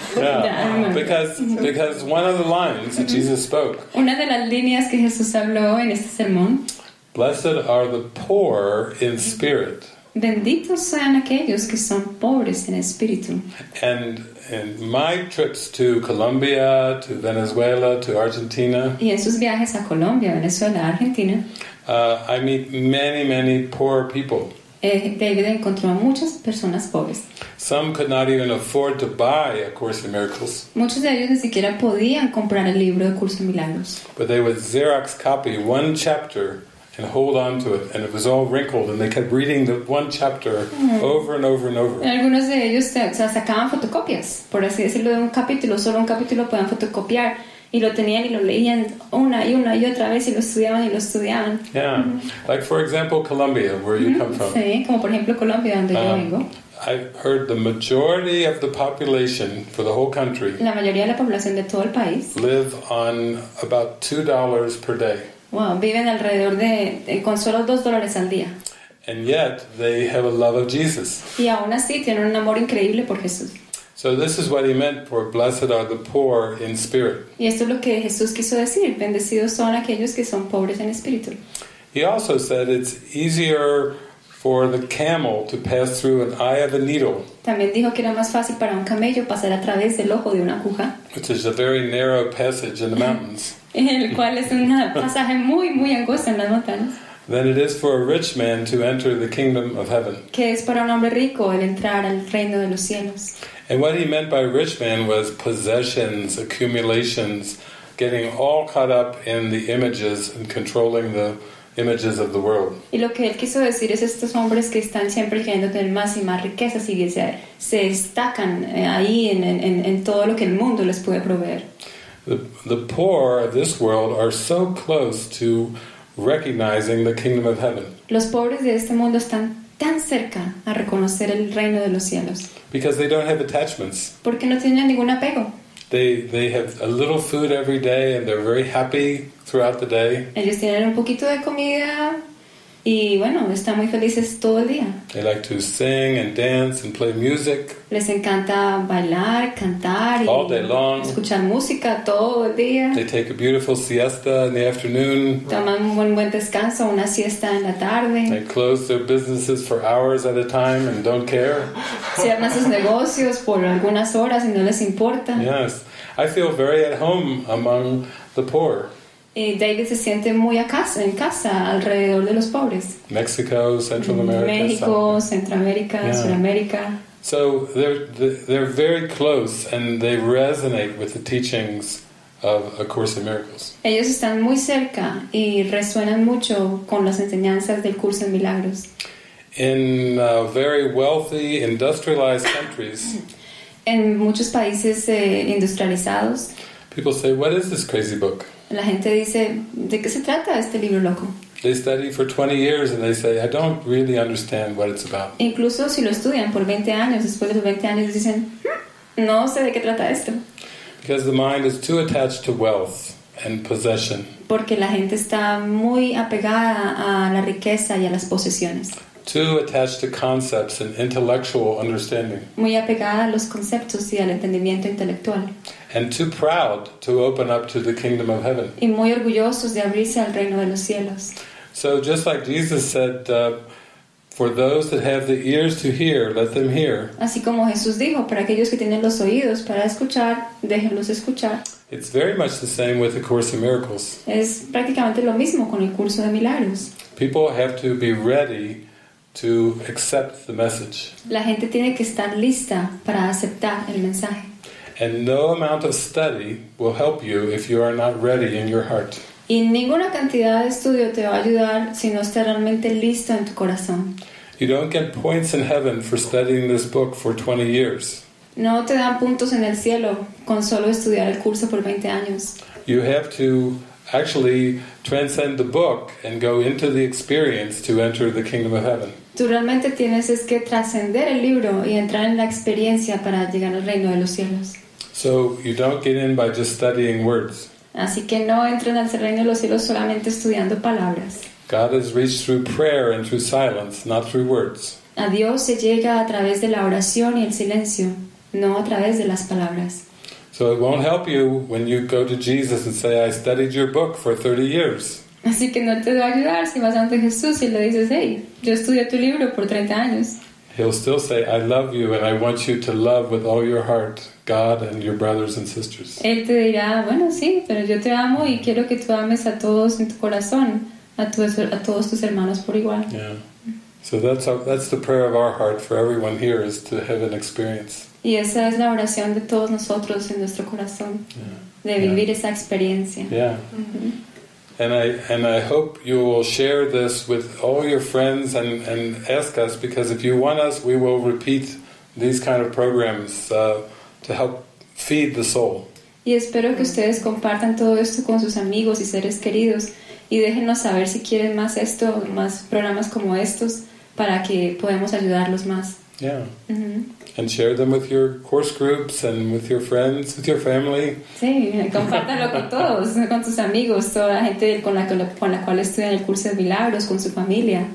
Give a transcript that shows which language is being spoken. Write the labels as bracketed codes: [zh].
[en] Yeah, yeah, because one of the lines that Jesus spoke. [es] Una de las líneas que Jesús habló en este sermón. [en] Blessed are the poor in spirit. [es] Benditos sean aquellos que son pobres en espíritu. [en] And my trips to Colombia, to Venezuela, to Argentina. [es] Y en sus viajes a Colombia, Venezuela, Argentina. [en] I meet many, many poor people. [es] David encontró a muchas personas pobres. [en] Some could not even afford to buy A Course in Miracles. [es] Muchos de ellos ni siquiera podían comprar el libro de Curso de Milagros. [en] But they would Xerox copy one chapter and hold on to it, and it was all wrinkled, and they kept reading the one chapter over and over and over. [es] Algunos de ellos sacaban fotocopias, por así decirlo, de un capítulo, solo un capítulo podían fotocopiar. Y lo tenían y lo leían una y una y otra vez y lo estudiaban y lo estudiaban. [en] Yeah, like for example, Colombia, where you come from. [es] Sí, como por ejemplo Colombia, donde yo vengo. [en] I heard the majority of the population for the whole country. [es] La mayoría de la población de todo el país. [en] Live on about $2 per day. [es] Wow, viven alrededor de con solo $2 al día. [en] And yet they have a love of Jesus. [es] Y aún así tienen un amor increíble por Jesús. [en] So this is what he meant for blessed are the poor in spirit. [es] Y esto es lo que Jesús quiso decir, bendecidos son aquellos que son pobres en espíritu. [en] He also said it's easier for the camel to pass through an eye of a needle. [es] También dijo que era más fácil para un camello pasar a través del ojo de una aguja. [en] Which is a very narrow passage in the mountains. [es] El cual es un pasaje muy muy angosto en las montañas. [en] Than it is for a rich man to enter the kingdom of heaven. [es] Que es para un hombre rico el entrar al reino de los cielos. [en] And what he meant by rich man was possessions, accumulations, getting all caught up in the images and controlling the images of the world. [es] Y lo que él quiso decir es estos hombres que están siempre queriendo tener más y más riquezas y se destacan ahí en todo lo que el mundo les puede proveer. [en] The poor of this world are so close to recognizing the kingdom of heaven. [es] Los pobres de este mundo están tan cerca a reconocer el reino de los cielos. [en] Because they don't have attachments. [es] Porque no tienen ningún apego. [en] They have a little food every day and they're very happy throughout the day. [es] Ellos tienen un poquito de comida y bueno, están muy felices todo el día. [en] They like to sing and dance and play music. [es] Les encanta bailar, cantar y [en] all day long. [es] Escuchar música todo el día. [en] They take a beautiful siesta in the afternoon. [es] Toman un buen descanso, una siesta en la tarde. [en] They close their businesses for hours at a time and don't care. [es] Cierran sus negocios por algunas horas y no les importa. [en] Yes, I feel very at home among the poor. [es] Y David se siente muy a casa, en casa, alrededor de los pobres. [en] Mexico, Central America. [es] México, Centroamérica, [en] yeah. [es] Sudamérica. [en] So they're very close and they resonate with the teachings of A Course in Miracles. [es] Ellos están muy cerca y resuenan mucho con las enseñanzas del Curso en Milagros. [en] In very wealthy, industrialized countries. [es] En muchos países industrializados. [en] People say, "What is this crazy book?" [es] La gente dice, ¿de qué se trata este libro loco? [en] They study for 20 years and they say, I don't really understand what it's about. [es] Incluso si lo estudian por 20 años, después de los 20 años dicen, no sé de qué trata esto. [en] Because the mind is too attached to wealth and possession. [es] Porque la gente está muy apegada a la riqueza y a las posesiones. [en] Too attached to concepts and intellectual understanding. [es] Muy apegada a los conceptos y al entendimiento intelectual. [en] And too proud to open up to the kingdom of heaven. [es] Y muy orgullosos de abrirse al reino de los cielos. [en] So just like Jesus said, for those that have the ears to hear, let them hear. [es] Así como Jesús dijo, para aquellos que tienen los oídos para escuchar, déjenlos escuchar. [en] It's very much the same with the Course in Miracles. [es] Es prácticamente lo mismo con el curso de milagros. [en] People have to be ready to accept the message. [es] La gente tiene que estar lista para aceptar el mensaje. [en] And no amount of study will help you if you are not ready in your heart. [es] Y ninguna cantidad de estudio te va a ayudar si no estás realmente listo en tu corazón. [en] You don't get points in heaven for studying this book for 20 years. [es] No te dan puntos en el cielo con solo estudiar el curso por 20 años. [en] You have to actually transcend the book and go into the experience to enter the kingdom of heaven. [es] Tú realmente tienes es que trascender el libro y entrar en la experiencia para llegar al reino de los cielos. [en] So you don't get in by just studying words. [es] Así que no entran al reino de los cielos solamente estudiando palabras. [en] God is reached through prayer and through silence, not through words. [es] A Dios se llega a través de la oración y el silencio, no a través de las palabras. [en] So it won't help you when you go to Jesus and say, I studied your book for 30 years. [es] Así que no te va a ayudar si vas ante Jesús y le dices, hey, yo estudié tu libro por 30 años. [en] He'll still say, I love you and I want you to love with all your heart God and your brothers and sisters. [es] Él te dirá, bueno, sí, pero yo te amo y quiero que tú ames a todos en tu corazón, a todos tus hermanos por igual. [en] Yeah. So that's the prayer of our heart for everyone here is to have an experience. [es] Y esa es la oración de todos nosotros en nuestro corazón, de vivir esa experiencia. [en] Yeah. Mm-hmm. And I hope you will share this with all your friends and ask us, because if you want us, we will repeat these kind of programs to help feed the soul. [es] Y espero que ustedes compartan todo esto con sus amigos y seres queridos y déjenos saber si quieren más esto, más programas como estos, para que podamos ayudarlos más. [en] Yeah. Mm-hmm. And share them with your course groups and with your friends, with your family. [es] Sí, compártalo con todos, con tus amigos, toda la gente con la cual estudian el curso de milagros, con su familia.